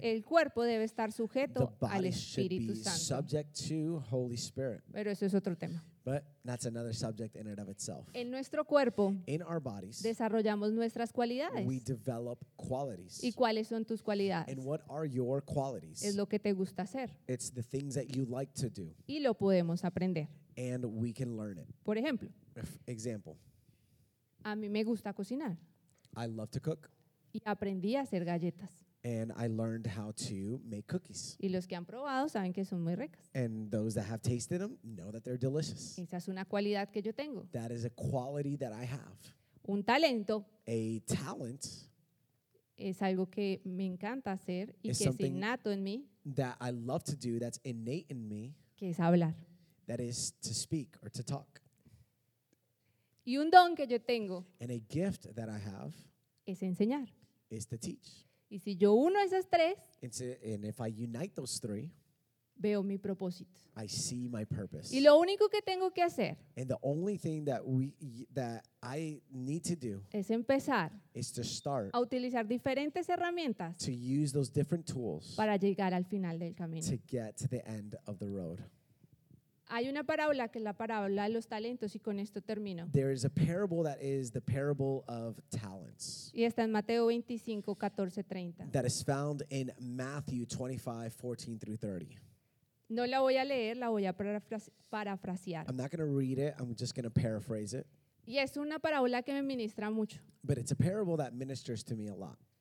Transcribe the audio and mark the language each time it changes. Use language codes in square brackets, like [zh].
[es] El cuerpo debe estar sujeto al Espíritu [en] Santo. The body should be subject to Holy Spirit. [es] Pero eso es otro tema. [en] But that's another subject in and of itself. [es] En nuestro cuerpo, [en] in our bodies, [es] desarrollamos nuestras cualidades. [en] We develop qualities. [es] ¿Y cuáles son tus cualidades? [en] And what are your qualities? [es] Es lo que te gusta hacer. [en] It's the things that you like to do. [es] Y lo podemos aprender. [en] And we can learn it. [es] Por ejemplo, [en] example. [es] A mí me gusta cocinar. [en] I love to cook. [es] Y aprendí a hacer galletas. [en] And I learned how to make cookies. [es] Y los que han probado saben que son muy ricas. [en] And those that have tasted them know that they're delicious. [es] Esa es una cualidad que yo tengo. [en] That is a quality that I have. [es] Un talento. [en] A talent. [es] Es algo que me encanta hacer y que es innato en mí. [en] That I love to do, that's innate in me. [es] Que es hablar. [en] That is to speak or to talk. [es] Y un don que yo tengo. [en] And a gift that I have. [es] Es enseñar. [en] Is to teach. [es] Y si yo uno esas tres, [en] and if I unite those three, [es] veo mi propósito. [en] I see my purpose. [es] Y lo único que tengo que hacer, [en] and the only thing that I need to do, [es] es empezar, [en] is to start, [es] a utilizar diferentes herramientas, [en] to use those different tools, [es] para llegar al final del camino, [en] to get to the end of the road. [es] Hay una parábola que es la parábola de los talentos y con esto termino. [en] There is a parable that is the parable of talents. [es] Y está en Mateo 25, 14, 30. [en] That is found in Matthew 25, 14 through 30. [es] No la voy a leer, la voy a parafrasear. [en] I'm not going to read it, I'm just going to paraphrase it. [es] Y es una parábola que me ministra mucho. [en] But it's a parable that ministers to me a lot.